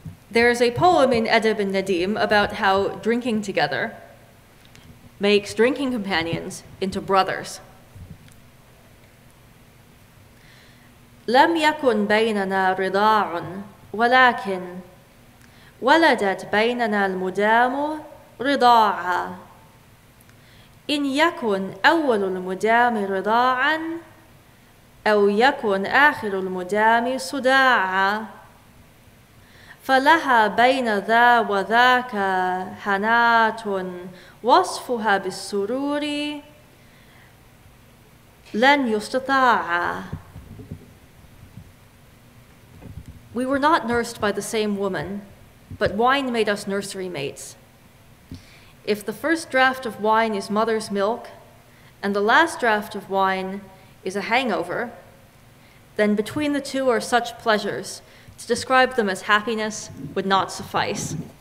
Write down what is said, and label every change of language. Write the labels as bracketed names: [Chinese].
[English] There is a poem in Edeb and Nadim about how drinking together makes drinking companions into brothers. [Arabic] لم يكن بيننا رضاع ولكن ولدت بيننا المدام رضاعا إن يكن أول المدام رضاعا أو يكن آخر المدام صداعا فلها بين ذا وذاك حنات وصفها بالسرور لن يستطاع. [English] We were not nursed by the same woman, but wine made us nursery mates. If the first draft of wine is mother's milk, and the last draft of wine is a hangover, then between the two are such pleasures, to describe them as happiness would not suffice.